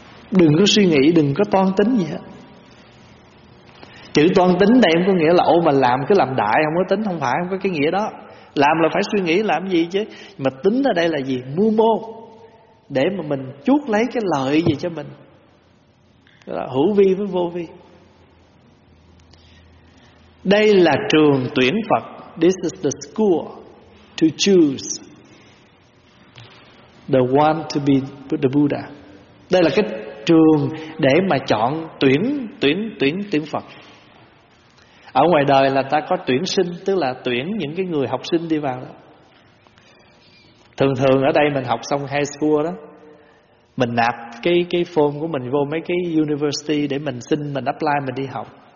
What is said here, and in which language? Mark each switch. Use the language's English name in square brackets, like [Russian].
[Vietnamese] Đừng có suy nghĩ, đừng có toan tính gì hết. Chữ toan tính đây không có nghĩa là ô mà làm cứ làm đại, không có tính, không phải, không có cái nghĩa đó. Làm là phải suy nghĩ làm gì chứ. Mà tính ở đây là gì? Mưu mô, để mà mình chuốc lấy cái lợi gì cho mình. Hữu vi với vô vi. Đây là trường tuyển Phật. [English] This is the school to choose the one to be the Buddha. [Vietnamese] Đây là cái trường để mà chọn tuyển Phật. Ở ngoài đời là ta có tuyển sinh, tức là tuyển những cái người học sinh đi vào đó. Thường thường ở đây mình học xong high school đó, mình nạp cái form của mình vô mấy cái university để mình xin, mình apply, mình đi học.